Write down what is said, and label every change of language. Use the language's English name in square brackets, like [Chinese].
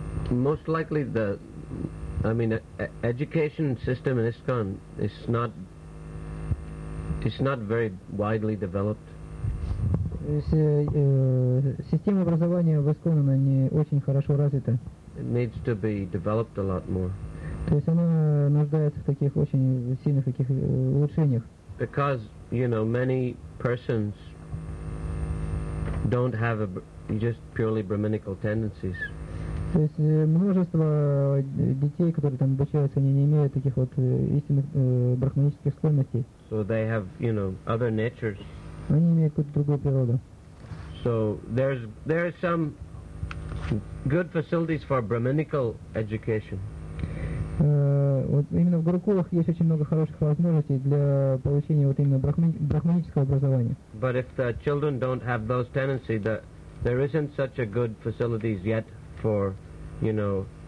[English] Most likely the, I mean, education system in ISKCON is not very widely developed. [Russian] Система образования в ISKCON, она не очень хорошо развита. [English] It needs to be developed a lot more. [Russian] То есть она нуждается в таких очень сильных таких улучшениях. [English] Because, you know, many persons don't have just purely brahminical tendencies. [Russian] То есть множество детей, которые там обучаются, они не имеют таких вот истинных брахманических склонностей. [English] So they have, you know, other natures. [Russian] Они имеют какую-то другую природу. [English] So there's some good facilities for brahminical education. [Russian] Вот именно в гурукулах есть очень много хороших возможностей для получения вот именно брахманического образования. [English] But if the children don't have those tendencies, there isn't such a good facilities yet for, you know,